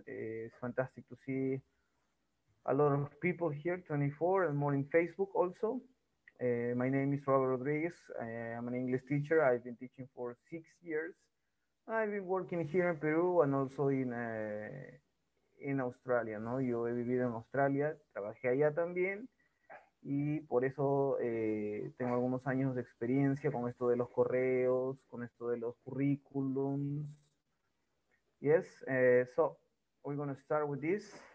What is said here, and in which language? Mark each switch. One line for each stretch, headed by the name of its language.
English: It's fantastic to see a lot of people here, 24 and more in Facebook also. My name is Robert Rodriguez. I am an English teacher. I've been teaching for 6 years. I've been working here in Peru and also in Australia, ¿no?
Spanish: Yo he vivido en Australia, trabajé allá también. Y por eso tengo algunos años de experiencia con esto de los correos, con esto de los currículums.
English: Yes, so we're going to start with this.